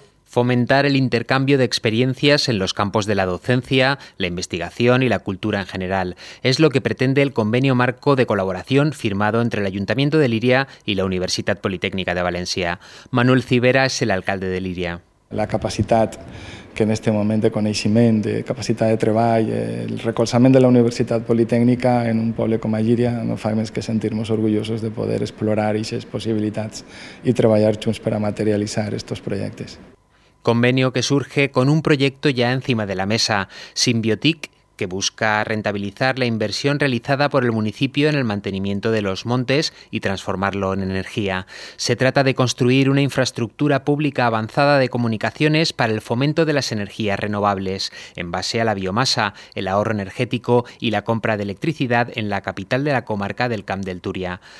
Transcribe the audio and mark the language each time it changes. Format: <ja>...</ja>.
<es>Fomentar el intercambio de experiencias en los campos de la docencia, la investigación y la cultura en general. Es lo que pretende el convenio marco de colaboración firmado entre el Ayuntamiento de Llíria y la Universitat Politécnica de València. Manuel Cibera es el alcalde de Llíria.</es> <ca>La capacitat que en este moment de coneixement, de capacitat de treball, el recolzament de la Universitat Politécnica en un poble com a Llíria no fa més que sentir-nos orgullosos de poder explorar aquestes possibilitats i treballar junts per a materialitzar aquests projectes.</ca> <es>Convenio que surge con un proyecto ya encima de la mesa, Symbiotic, que busca rentabilizar la inversión realizada por el municipio en el mantenimiento de los montes y transformarlo en energía. Se trata de construir una infraestructura pública avanzada de comunicaciones para el fomento de las energías renovables, en base a la biomasa, el ahorro energético y la compra de electricidad en la capital de la comarca del Camp del Túria.</es>